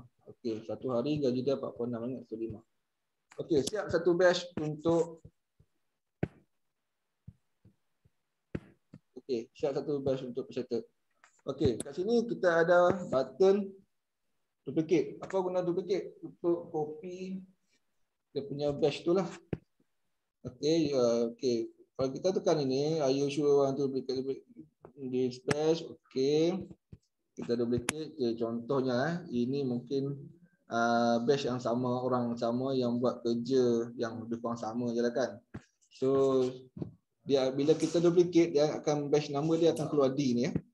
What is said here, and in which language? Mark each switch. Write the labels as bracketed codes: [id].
[ms] Okey, satu hari gaji dia 46,15. Okey, siap satu batch untuk okey, siap satu batch untuk peserta. Okey, kat sini kita ada button duplicate. Apa guna duplicate? Untuk copy dia punya batch itulah. Okey, okey. Kalau kita tekan ini, [en] are you sure want to duplicate this batch? [ms] Okay. Kita duplicate. Okay, contohnya, ini mungkin batch yang sama, orang yang sama yang buat kerja yang lebih kurang sama je lah kan. So, dia, bila kita duplicate, dia akan batch number dia akan keluar D ni.